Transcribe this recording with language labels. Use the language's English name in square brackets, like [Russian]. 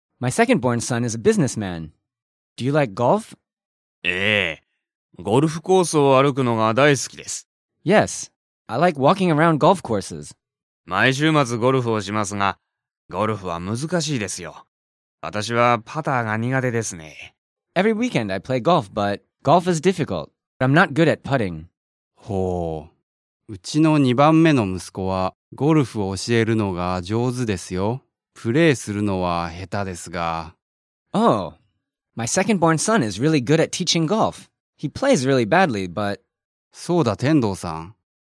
[English] My secondborn son is a businessman. Do you like golf? [Japanese] ええ、ゴルフコースを歩くのが大好きです。 [English] Yes, I like walking around golf courses. [Japanese] 毎週末ゴルフをしますが、ゴルフは難しいですよ。私はパターが苦手ですね。 [English] Every weekend I play golf, but golf is difficult. I'm not good at putting. [Japanese] ほう。うちの2番目の息子はゴルフを教えるのが上手ですよ。プレーするのは下手ですが。 [English] Oh, my second born son is really good at teaching golf. He plays really badly, but... [Japanese] そうだ、天童さん。